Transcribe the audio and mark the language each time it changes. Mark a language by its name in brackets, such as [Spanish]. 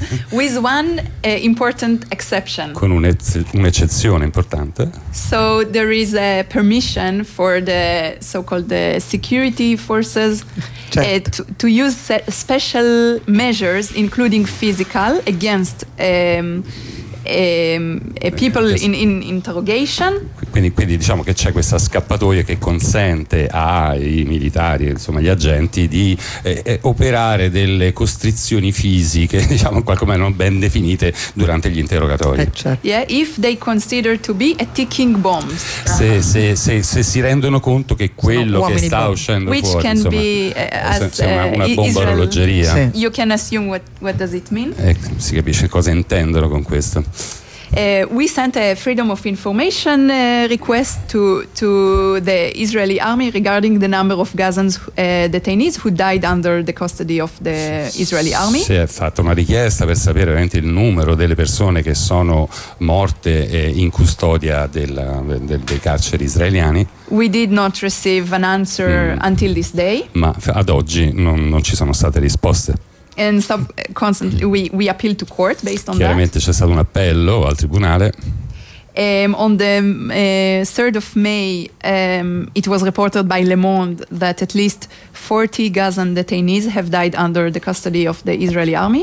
[English] With one important exception. [Italian] Con un'eccezione importante. [English] So there is a permission for the so-called security forces. [Italian] Certo. [English] To use special measures, including physical, against people in interrogation. [Italian] Quindi diciamo che c'è questa scappatoia che consente ai militari, insomma agli agenti, di operare delle costrizioni fisiche, diciamo qualcosa non ben definite, durante gli interrogatori. Certo. [English] Yeah, if they consider to be a ticking bomb. [Italian] Se si rendono conto che quello che sta uscendo [English] which [Italian] fuori, [English] can [Italian] insomma, [English] be, [Italian] una bomba orologeria. Sì. [English] You can assume what does it mean? [Italian] Si capisce cosa intendono con questo. [English] We sent a freedom of information request to the Israeli army regarding the number of Gazans detainees who died under the custody of the Israeli army. [Italian] Si è fatta una richiesta per sapere veramente il numero delle persone che sono morte in custodia dei carceri israeliani. [English] We did not receive an answer until this day. [Italian] Ma ad oggi non ci sono state risposte. [English] And so constantly we appeal to court based on [Italian] chiaramente [English] that. [Italian] C'è stato un appello al tribunale. [English] On the 3rd of May it was reported by Le Monde that at least 40 Gazan detainees have died under the custody of the Israeli army.